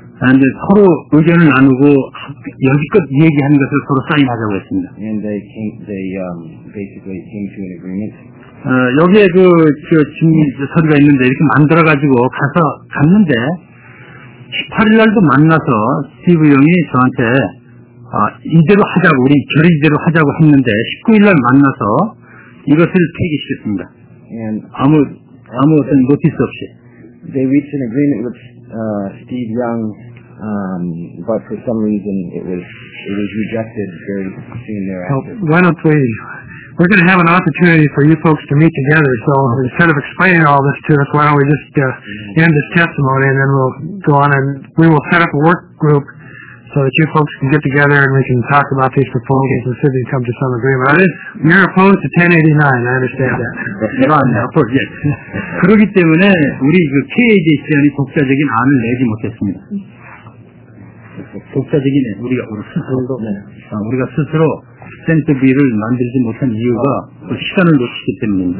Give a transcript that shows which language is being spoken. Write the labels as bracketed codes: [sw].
[ko] And 서로 의견을 나누고 여기껏 얘기하는 것을 서로 사인하자고 했습니다. [en] And they came, they basically came to an agreement. [ko] 여기에 그 서류가 있는데 이렇게 만들어 가지고 가서 갔는데 18일 날도 만나서 스티브 영이 저한테 이대로 하자고 우리 결의 이대로 하자고 했는데 19일 날 만나서 이것을 폐기시켰습니다. [en] And [ko] 아무 어떤 노티스 없이. [en] They reached an agreement with Steve Young, but for some reason it was rejected very soon thereafter. Well, why don't we? We're going to have an opportunity for you folks to meet together. So instead of explaining all this to us, why don't we just end this testimony and then we'll go on and we will set up a work group so that you folks can get together and we can talk about these proposals and see if we can come to some agreement. You're opposed to 1089, I understand that. Yes. [ko] 그렇기 때문에 우리 그 KADCA의 독자적인 안을 내지 못했습니다. 독자적인 우리가 우리가 스스로 센터비를 만들지 못한 이유가 그 시간을 놓치기 때문입니다.